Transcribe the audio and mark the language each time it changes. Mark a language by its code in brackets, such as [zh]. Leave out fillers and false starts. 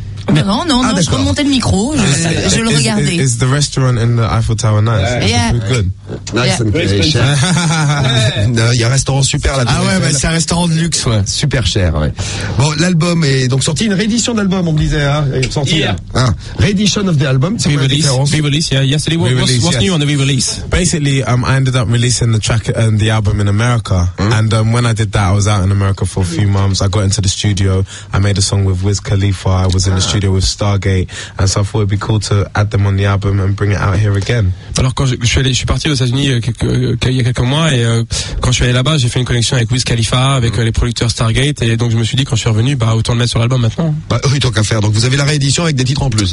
[fr] Non, je peux monter le micro, je le regardais. [en] Is the restaurant in the Eiffel Tower nice? Yeah. Good. Nice and [fr] cher. Il y a un restaurant super là. Ah ouais, c'est un restaurant de luxe, ouais. Super cher, ouais. Bon, l'album est donc sorti, une réédition d'album, on me disait, hein. Sorti. [en] Yeah. [fr] Réédition [en] of the album, [fr] c'est quoi la différence? [en] Re-release, yeah. Yesterday, what's new on the re-release? Basically, I ended up releasing the track and the album in America. Mm-hmm. And when I did that, I was out in America for a few months. I got into the studio. I made a song with Wiz Khalifa. I was in the studio with Stargate, and so I thought it'd be cool to add them on the album and bring it out here again. [fr] Alors quand je suis parti aux États-Unis il y a quelques mois, et quand je suis allé là-bas, j'ai fait une connexion avec Wiz Khalifa, avec les producteurs Stargate, et donc je me suis dit, quand je suis revenu, bah autant le mettre sur l'album maintenant. Bah oui, tant qu'à faire. Donc vous avez la réédition avec des titres en plus.